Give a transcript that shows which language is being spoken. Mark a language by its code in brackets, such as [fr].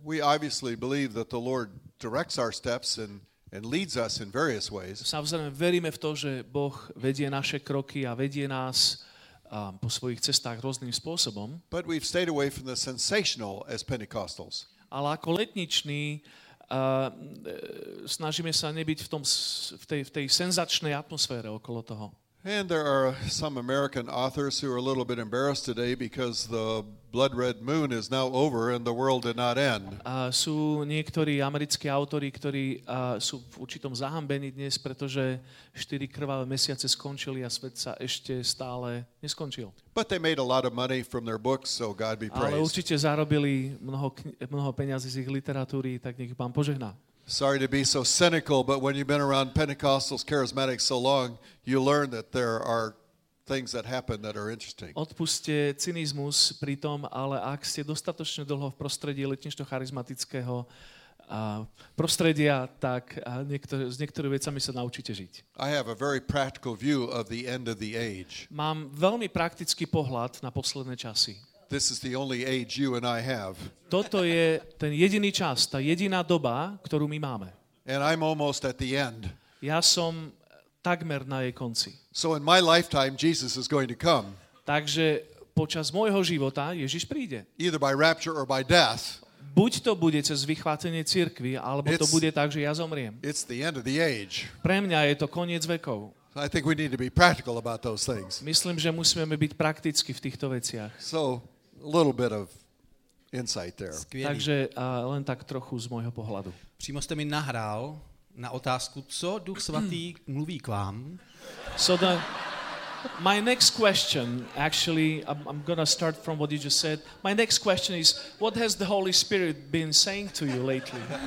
[en] We obviously believe that the Lord directs our steps and leads us in various ways. [sk] Samozrejme, veríme v to, že Boh vedie naše kroky a vedie nás po svojich cestách rôznym spôsobom. [en] But we've stayed away from the sensational as Pentecostals. [sk] Ale ako letniční snažíme sa nebyť v tom, v tej senzačnej atmosfére okolo toho. [en] And there are some American authors who are a little bit embarrassed today because the blood red moon is now over and the world did not end. [sk] Sú niektorí americkí autori, ktorí sú v určitom zahambení dnes, pretože 4 krvavé mesiace skončili a svet sa ešte stále neskončil. [en] But they made a lot of money from their books, so God be praised. [sk] Ale určite zarobili mnoho peňazí z ich literatúry, tak nech Pán požehná. [en] Sorry to be so cynical, but when you've been around Pentecostals, charismatics so long, you learn that there are things that happen that are interesting. [sk] Odpuste cynizmus pri tom, ale ak ste dostatočne dlho v prostredí letnišťo charizmatického prostredia, tak s niektorými vecami sa naučíte žiť. [en] I have a very practical view of the end of the age. [sk] Mám veľmi praktický pohľad na posledné časy. [en] This is the only age you and I have. [sk] Toto je ten jediný čas, tá jediná doba, ktorú my máme. [en] And I'm almost at the end. [sk] Ja som takmer na jej konci. [en] So in my lifetime Jesus is going to come. [sk] Takže počas môjho života Ježiš príde. [en] Either by rapture or by death. [sk] Buď to bude cez vychvátenie cirkvi, alebo to bude tak, že ja zomriem. [en] It's the end of the age. [sk] Pre mňa je to koniec vekov. [en] I think we need to be practical about those things. [sk] Myslím, že musíme byť prakticky v týchto veciach. [en] So a little bit of insight there. [cs] Skvělý. [sk] Takže len tak trochu z môjho pohľadu. [cs] Přímo jste mi nahrál na otázku, co Duch svatý mluví k vám. [en] So my next question, actually, I'm going to start from what you just said. My next question is, what has the Holy Spirit been saying to you lately?